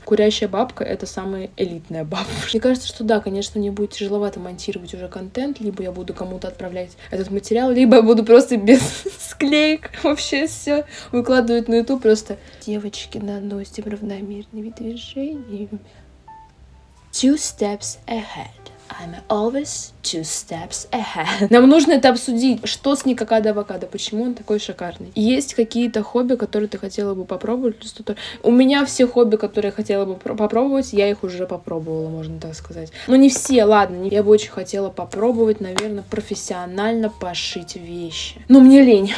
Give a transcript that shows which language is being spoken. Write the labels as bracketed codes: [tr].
[ru] Курящая бабка — это самая элитная бабка. Мне кажется, что да, конечно, мне будет тяжеловато монтировать уже контент, либо я буду кому-то отправлять этот материал, либо я буду просто без склеек вообще все выкладывать на YouTube просто. Девочки, наносим равномерными движениями. [en] Two steps ahead. I'm always two steps ahead. [ru] Нам нужно это обсудить. Что с Никакадо Авокадо? Почему он такой шикарный? Есть какие-то хобби, которые ты хотела бы попробовать? Что-то... У меня все хобби, которые я хотела бы попробовать, я их уже попробовала, можно так сказать. Но не все, ладно. Я бы очень хотела попробовать, наверное, профессионально пошить вещи. Но мне лень.